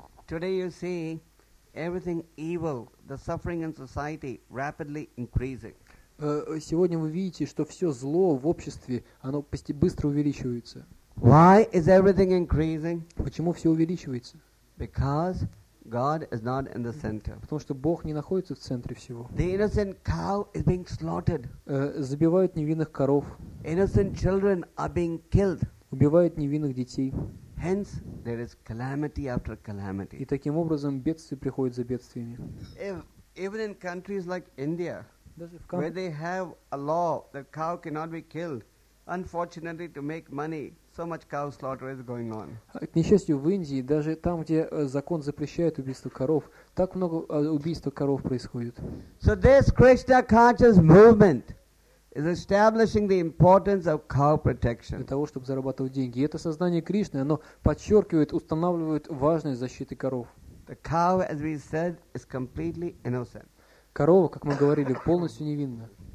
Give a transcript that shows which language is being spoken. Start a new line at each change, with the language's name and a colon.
English: Today you see everything evil, the suffering in society rapidly increasing.
Russian: Сегодня вы видите, что все зло в обществе, оно почти быстро увеличивается.
English: Why is everything increasing?
Russian: Почему все увеличивается?
English: Because God is not in the center.
Russian: Потому что Бог не находится в центре всего.
English: The innocent cow is being slaughtered.
Russian: Забивают невинных коров.
English: Innocent children are being killed.
Russian: Убивают невинных детей.
English: Hence, there is calamity after calamity.
Russian: И таким образом бедствие приходит за бедствиями.
English: Even in countries like India, where they have a law that cow cannot be killed, unfortunately, to make money. So much cow slaughter is going on.
Russian: К несчастью, в Индии, даже там, где закон запрещает убийство коров, так много убийств коров происходит.
English: So this Krishna conscious movement is establishing the importance of cow protection.
Russian: Для того, чтобы зарабатывать деньги. И это сознание Кришны, оно подчеркивает, устанавливает важность защиты коров.
English: The cow, as we said, is completely innocent.
Russian: Корова, как мы говорили, полностью невинна.